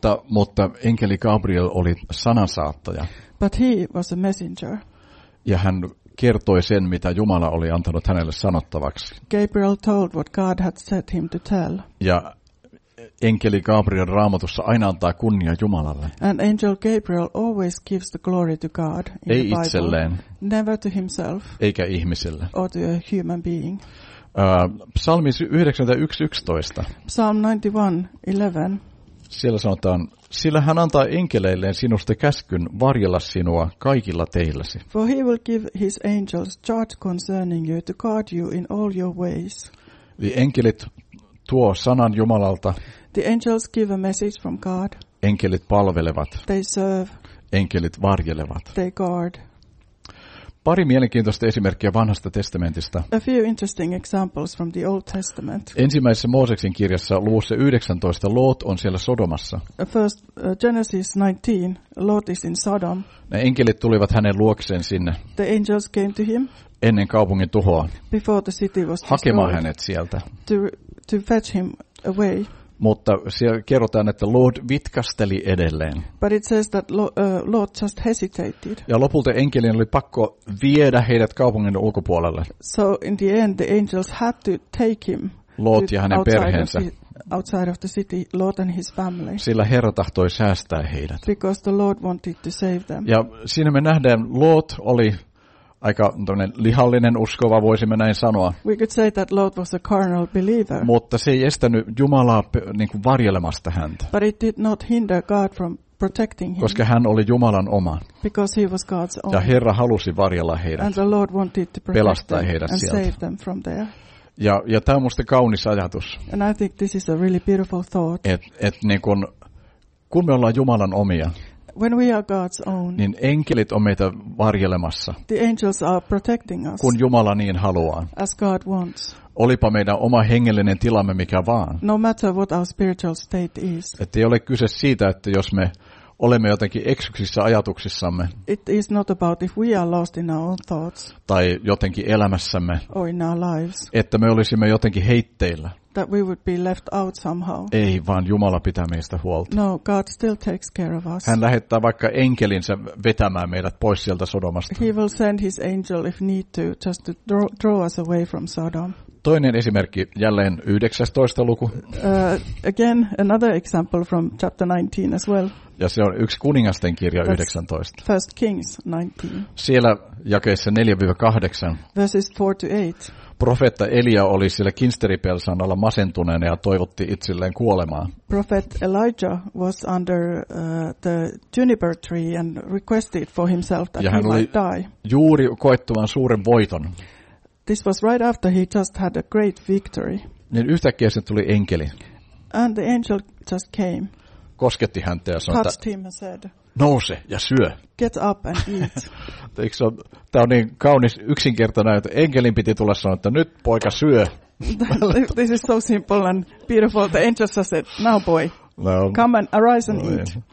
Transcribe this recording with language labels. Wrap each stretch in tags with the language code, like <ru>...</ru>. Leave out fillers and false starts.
<fi>Mutta enkeli Gabriel oli sanansaattaja.</fi> <en>But he was a messenger.</en> <fi>Ja hän kertoi sen, mitä Jumala oli antanut hänelle sanottavaksi.</fi> <en>Gabriel told what God had said him to tell.</en> <fi>Ja enkeli Gabriel Raamatussa aina antaa kunnia Jumalalle.</fi> <en>And angel Gabriel always gives the glory to God in</en> <fi>ei</fi> <en>the Bible.</en> <fi>Ei itselleen.</fi> <en>Never to himself.</en> <fi>Eikä ihmiselle.</fi> <en>Or to a human being.</en> <fi>Psalmi 91:11.</fi> <en>Psalm 91:11.</en> <fi>Siellä sanotaan, sillä hän antaa enkeleilleen sinusta käskyn varjella sinua kaikilla teilläsi.</fi> <en>For he will give his angels charge concerning you to guard you in all your ways.</en> <fi>The enkelit tuo sanan Jumalalta.</fi> <en>The angels give a message from God.</en> <fi>Enkelit palvelevat.</fi> <en>They serve.</en> <fi>Enkelit varjelevat.</fi> <en>They guard.</en> <fi>Pari mielenkiintoista esimerkkiä Vanhasta testamentista.</fi> <en>A few interesting examples from the Old Testament.</en> <fi>Ensimmäisessä Mooseksen kirjassa luvussa 19 Lot on siellä Sodomassa.</fi> <en>First Genesis 19, Lot is in Sodom.</en> <fi>Ne enkelit tulivat hänen luokseen sinne.</fi> <en>The angels came to him.</en> <fi>Ennen kaupungin tuhoa.</fi> <en>Before the city was destroyed.</en> <fi>Hakemaan hänet sieltä.</fi> <en>To fetch him away.</en> <fi>Mutta siellä kerrotaan, että Lord vitkasteli edelleen.</fi> <en>But it says that Lord just hesitated.</en> <fi>Ja lopulta enkelin oli pakko viedä heidät kaupungin ulkopuolelle.</fi> <en>So in the end the angels had to take him.</en> <fi>Lord ja hänen perheensä.</fi> <en>Outside of the city, Lord and his family.</en> <fi>Sillä Herra tahtoi säästää heidät.</fi> <en>Because the Lord wanted to save them.</en> <fi>Ja siinä me nähdään, Lord oli aika tämmöinen lihallinen uskova, voisimme näin sanoa.</fi> <en>We could say that Lord was a carnal believer.</en> <fi>Mutta se ei estänyt Jumalaa niin kuin varjelemasta häntä.</fi> <en>But it did not hinder God from protecting him.</en> <fi>Koska hän oli Jumalan oma.</fi> <en>Because he was God's own.</en> <fi>Ja Herra halusi varjella heidät.</fi> <en>And the Lord wanted to protect</en> <fi>pelastaa</fi> <en>them</en> <fi>heidät</fi> <en>and</en> <fi>sieltä.</fi> <en>Save them from there.</en> <fi>Ja tämä on musta kaunis ajatus.</fi> <en>And I think this is a really beautiful thought.</en> <fi>Et niin kun me ollaan Jumalan omia.</fi> <en>When we are God's own,</en> <fi>niin enkelit on meitä varjelemassa.</fi> <en>The angels are protecting us.</en> <fi>Kun Jumala niin haluaa.</fi> <en>As God wants.</en> <fi>Olipa meidän oma hengellinen tilamme mikä vaan.</fi> <en>No matter what our spiritual state is.</en> <fi>Et ei ole kyse siitä, että jos me olemme jotenkin eksyksissä ajatuksissamme.</fi> <en>It is not about if we are lost in our own thoughts.</en> <fi>Tai jotenkin elämässämme.</fi> <en>Or in our lives.</en> <fi>Että me olisimme jotenkin heitteillä.</fi> <en>That we would be left out somehow.</en> <fi>Ei, vaan Jumala pitää meistä huolta.</fi> <en>No, God still takes care of us.</en> <fi>Hän lähettää vaikka enkelinsä vetämään meidät pois sieltä Sodomasta.</fi> <en>He will send his angel if need to, just to draw us away from Sodom.</en> <fi>Toinen esimerkki, jälleen 19. luku.</fi> <en>Again, another example from chapter 19 as well.</en> <fi>Ja se on yksi kuningasten kirja.</fi> <en>That's 19. First Kings 19.</en> <fi>Siellä jakeissa 4-8.</fi> <en>Verses 4-8.</en> <fi>Profeetta Elia oli siellä kinsteripelsan alla masentuneena ja toivotti itselleen kuolemaa.</fi> <en>Prophet Elijah was under the juniper tree and requested for himself that he might die.</en> <fi>Juuri koettuaan suuren voiton.</fi> <en>This was right after he just had a great victory.</en> <fi>Niin yhtäkkiä sen tuli enkeli.</fi> <en>And the angel just came.</en> <fi>Kosketti häntä ja sanoi,</fi> <en>touched him and said,</en> <fi>nouse ja syö.</fi> <en>Get up and eat.</en> <fi>eikö se on, tää on niin kaunis yksinkertainen, että enkelin piti tulla sanoa, että nyt poika syö.</fi> <en>This is so simple and beautiful. The angel said, now boy, come and arise and eat.</en>